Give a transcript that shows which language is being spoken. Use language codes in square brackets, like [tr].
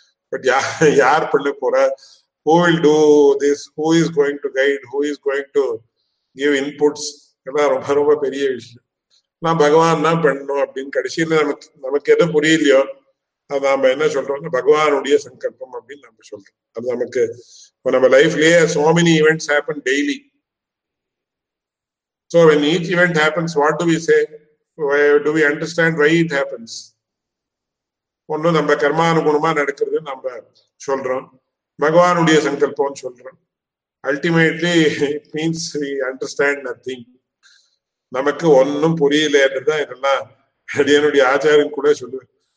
[en] but [ta] யார் பண்ண போற, [en] who will do this, who is going to guide, who is going to give inputs, [ta] எல்லாம் ரொம்ப ரொம்ப பெரிய விஷயம். நான் பகவான் தான் பண்ணணும் அப்படின்னு கடைசியில் நமக்கு எதுவும் புரியலையோ அது நாம என்ன சொல்றோம்னா பகவானுடைய சங்கல்பம் அப்படின்னு நம்ம சொல்றோம். அது நமக்கு இப்போ நம்ம லைஃப்லயே [en] So many events happen daily. So when each event happens, what do we say? Why, do we understand why it happens? [ta] ஒன்னு நம்ம கர்மானுகுணமா நடக்கிறது நம்ம சொல்றோம், பகவானுடைய சங்கல்பம் சொல்றோம். [en] Ultimately it means we understand nothing. [ta] நமக்கு ஒன்னும் புரியலன்றதுதான் இதெல்லாம் அடியனுடைய ஆச்சாரியன் கூட சொல்லுவேன்.